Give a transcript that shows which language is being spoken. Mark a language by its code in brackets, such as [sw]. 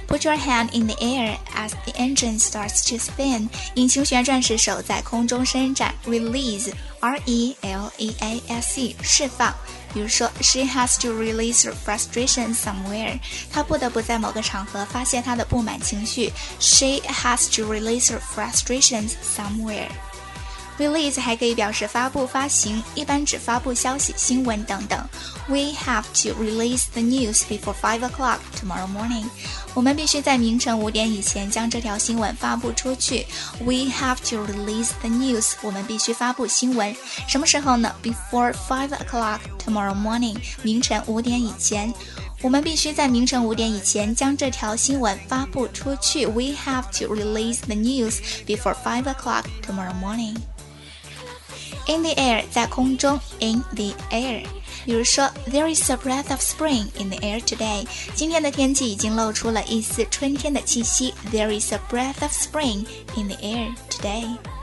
[en] Put your hand in the air as the engine starts to spin. [zh] 引擎旋转时，手在空中伸展。 [en] Release, R-E-L-E-A-S-E, 释放。 [zh] 比如说 [en] ，She has to release her frustration somewhere. [zh] 她不得不在某个场合发泄她的不满情绪。 [en] She has to release her frustrations somewhere. [zh] Release 还可以表示发布、发行，一般只发布消息、新闻等等。 [en] We have to release the news before 5 o'clock tomorrow morning. [zh] 我们必须在凌晨五点以前将这条新闻发布出去。 [en] We have to release the news. [zh] 我们必须发布新闻。什么时候呢 [en] ？Before 5 o'clock tomorrow morning. [zh] 凌晨五点以前。我们必须在凌晨五点以前将这条新闻发布出去。 [en] We have to release the news before 5 o'clock tomorrow morning. In the air, [zh] 在空中 [en] ,in the air. [zh] 比如说 [en] ,there is a breath of spring in the air today. [zh] 今天的天气已经露出了一丝春天的气息。 [en] There is a breath of spring in the air today.